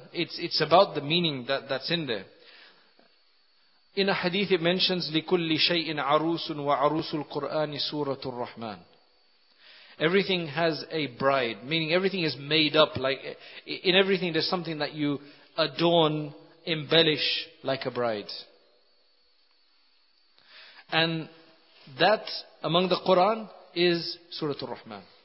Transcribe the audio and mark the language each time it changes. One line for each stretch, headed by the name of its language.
English: It's about the meaning that's in there. In a hadith, it mentions
Arabic: لِكُلِّ شَيْءٍ عَرُوسٌ وَعَرُوسُ الْقُرْآنِ سُورَةُ الرَّحْمَنِ.
English: Everything has a bride, meaning everything is made up. Like in everything, there's something that you adorn, embellish like a bride. And that among the Quran is Surah Ar-Rahman.